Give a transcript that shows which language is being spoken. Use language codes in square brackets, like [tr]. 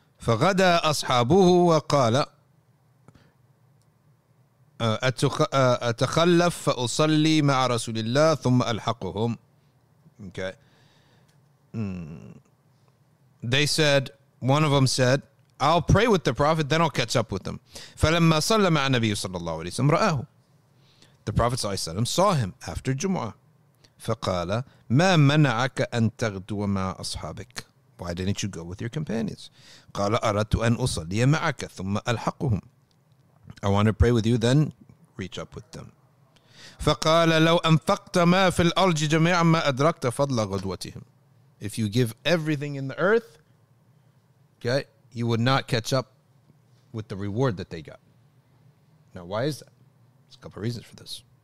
[ar] فَغَدَى أَصْحَابُهُ وَقَالَ أَتَخَلَّفْ فَأُصَلِّي مَعَ رَسُولِ اللَّهِ ثُمَّ أَلْحَقُهُمْ Okay. [en] They said, one of them said, I'll pray with the Prophet, then I'll catch up with them. [ar] فَلَمَّا صَلَّى مَعَ النَّبِيُّ صَلَّى اللَّهُ عَلَيْهِ وَسَلَّمَ رَآهُ [en] The Prophet saw him after Jumu'ah. [ar] فَقَالَ مَا مَنَعَكَ أَن تَغْدُوَ مَعَ أَصْحَابِكَ [en] Why didn't you go with your companions? [ar] قَالَ أَرَدْتُ أَن أُصَلِّيَ مَعَكَ ثُمَّ أَلْحَقُهُمْ [en] I want to pray with you, then reach up with them. [ar] فَقَالَ لَوْ أَنْفَقْتَ مَا فِي الْأَرْجِ جَمِيعًا مَا أَدْرَكْتَ فَضْلَ غَدْوَتِهِمْ [en] If you give everything in the earth, okay, you would not catch up with the reward that they got. Now, why is that? A couple of reasons for this.